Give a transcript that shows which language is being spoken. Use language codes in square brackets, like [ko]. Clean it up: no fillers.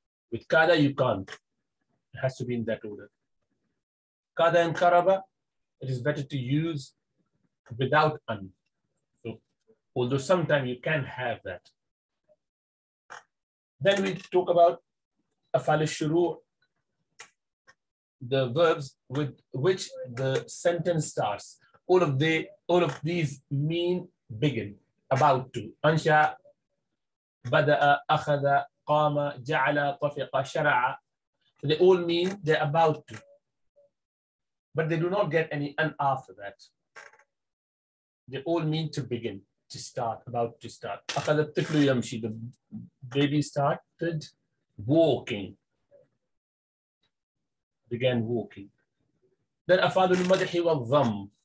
[en] With كاد you can't, it has to be in that order. [ar] كاد إن خرب, [en] it is better to use without an. So, although sometimes you can have that. Then we talk about [ar] أفعال الشروع, [en] the verbs with which the sentence starts. All of these mean begin, about to. [ar] أنشأ, بدأ, أخذ, قام, جعل, طفق, شرع. [en] So they all mean they're about to. But they do not get any an after that. They all mean to begin, to start, about to start. [ar] أخذ الطفل يمشي, [en] the baby started walking. Began walking. Then [ar] أفعال المدح والضم.